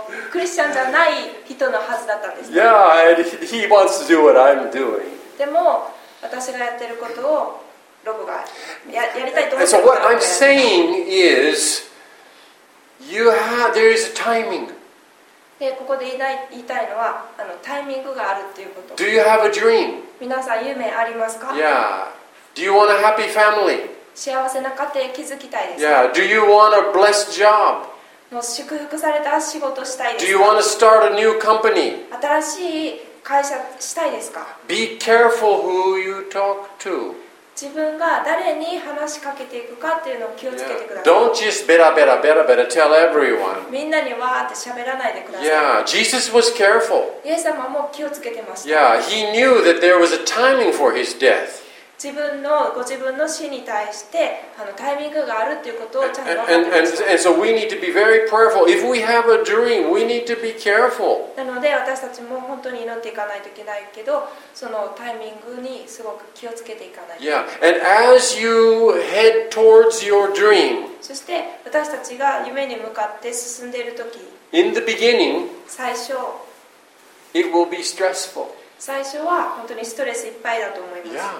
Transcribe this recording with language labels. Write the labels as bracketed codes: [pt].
[ja] クリスチャンじゃない人のはずだったんです。 [en] Yeah, and he wants to do what I'm doing. [ja] でも私がやってることを。 [en] And so what I'm saying is, there is a timing. [ja] でここで言いたいのはタイミングがあるっていうこと。 [en] Do you have a dream? [ja] 皆さん夢ありますか [en] ？Yeah. Do you want a happy family? [ja] 幸せな家庭築きたいですか [en] ？Yeah. Do you want a blessed job? [ja] もう祝福された仕事したいですか [en] ？Do you want to start a new company? [ja] 新しい会社したいですか [en] ？Be careful who you talk to. [ja] 自分が誰に話しかけていくかっていうのを気をつけてください。 [en] Yeah. Don't just [ja] ベラベラベラベラ [en] tell everyone. [ja] みんなにわーって喋らないでください。 [en] Yeah, Jesus was careful. [ja] イエス様も気をつけてました。 [en] Yeah, he knew that there was a timing for his death. [ja] ご自分の死に対してタイミングがあるっていうことをちゃんと分かってました。 [en] And so we need to be very prayerful. If we have a dream, we need to be careful. [ja] なので私たちも本当に祈っていかないといけないけど、そのタイミングにすごく気をつけていかないと。 [en] Yeah, and as you head towards your dream, [ja] そして私たちが夢に向かって進んでいるとき、 [en] in the beginning, [ja] 最初、 [en] it will be stressful. [ja] 最初は本当にストレスいっぱいだと思います。